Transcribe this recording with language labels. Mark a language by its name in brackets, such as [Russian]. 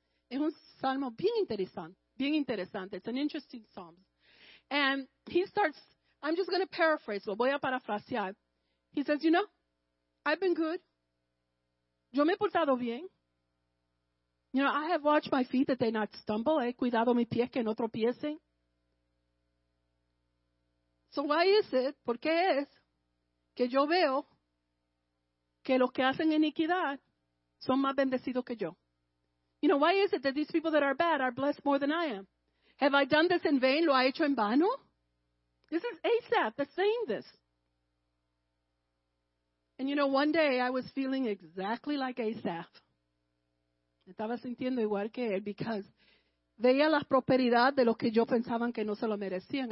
[Spanish] Es un salmo bien interesante. Bien interesante. [English] It's an interesting psalm. And he starts, I'm just going to paraphrase. [Spanish] Lo voy a parafrasear. [English] He says, you know, I've been good. [Spanish] Yo me he portado bien. [English] You know, I have watched my feet that they not stumble. [Spanish] He cuidado mis pies que no tropiecen. [English] So why is it, [Spanish] por qué es, que yo veo que los que hacen iniquidad son más bendecidos que yo? [English] You know, why is it that these people that are bad are blessed more than I am? Have I done this in vain? [Spanish] ¿Lo ha hecho en vano? [English] This is Asaph that's saying this. And you know, one day I was feeling exactly like Asaph. [Spanish] Estaba sintiendo igual que él because veía la prosperidad de los que yo pensaban que no se lo merecían.